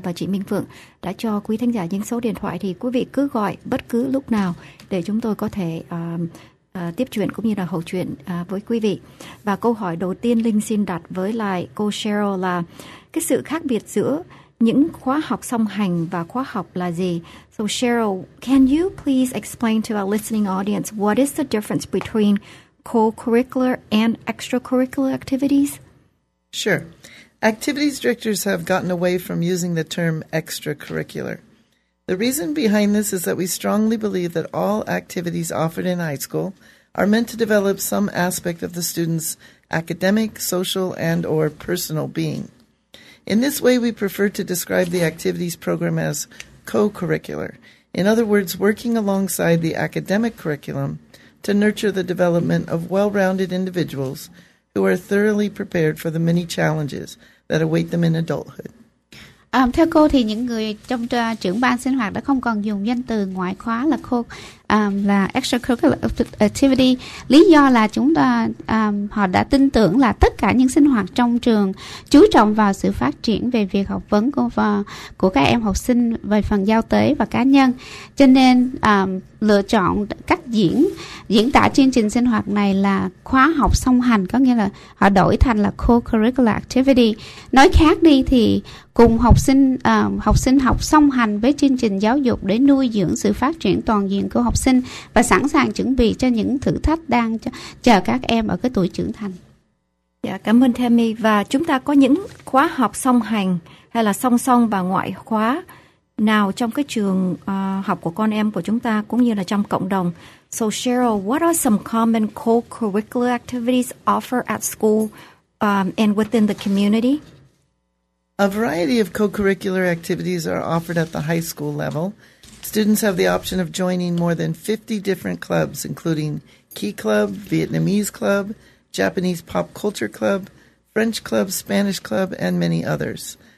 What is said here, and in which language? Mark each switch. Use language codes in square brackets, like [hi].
[vi] Và chị Minh Phượng đã cho quý thính giả những số điện thoại thì quý vị cứ gọi bất cứ lúc nào để chúng tôi có thể tiếp chuyện cũng như là hậu chuyện với quý vị. Và câu hỏi đầu tiên Linh xin đặt với lại cô Cheryl là cái sự khác biệt giữa những khóa học song hành và khóa học là gì? [en] So Cheryl, can you please explain to our listening audience what is the difference between co-curricular and extracurricular activities? Sure. Activities directors have gotten away from using the term extracurricular. The reason behind this is that we strongly believe that all activities offered in high school are meant to develop some aspect of the student's academic, social, and or personal being. In this way, we prefer to describe the activities program as co-curricular. In other words, working alongside the academic curriculum to nurture the development of well-rounded individuals who are thoroughly prepared for the many challenges that await them in adulthood. [vi] Theo cô thì những người trong trưởng ban sinh hoạt đã không còn dùng danh từ ngoại khóa là co là extracurricular activity. Lý do là chúng ta họ đã tin tưởng là tất cả những sinh hoạt trong trường chú trọng vào sự phát triển về việc học vấn của các em học sinh về phần giao tế và cá nhân. Cho nên lựa chọn cách diễn tả chương trình sinh hoạt này là khóa học song hành, có nghĩa là họ đổi thành là co-curricular activity. Nói khác đi thì cùng học sinh học song hành với chương trình giáo dục để nuôi dưỡng sự phát triển toàn diện của học sinh và sẵn sàng chuẩn bị cho những thử thách đang chờ các em ở cái tuổi trưởng thành. Dạ, cảm ơn Tammy. Và chúng ta có những khóa học song hành hay là song song và ngoại khóa nào trong cái trường học của con em của chúng ta cũng như là trong cộng đồng? [en] So Cheryl, what are some common co-curricular activities offered at school and within the community? A variety of co-curricular activities are offered at the high school level. Students have the option of joining more than 50 different clubs, including Key Club, Vietnamese Club, Japanese Pop Culture Club, French Club, Spanish Club, and many others.